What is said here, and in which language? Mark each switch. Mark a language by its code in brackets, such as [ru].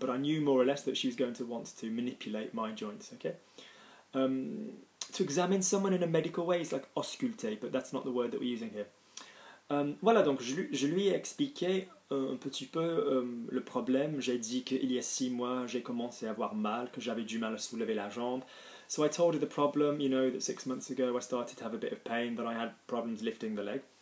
[en] But I knew more or less that she was going to want to manipulate my joints, okay? To examine someone in a medical way is like ausculter, but that's not the word that we're using here. [fr] Voilà, donc je lui ai expliqué un petit peu le problème. J'ai dit qu'il y a 6 mois, j'ai commencé à avoir mal, que j'avais du mal à soulever la jambe. [en] So I told her the problem, you know, that 6 months ago I started to have a bit of pain, that I had problems lifting the leg.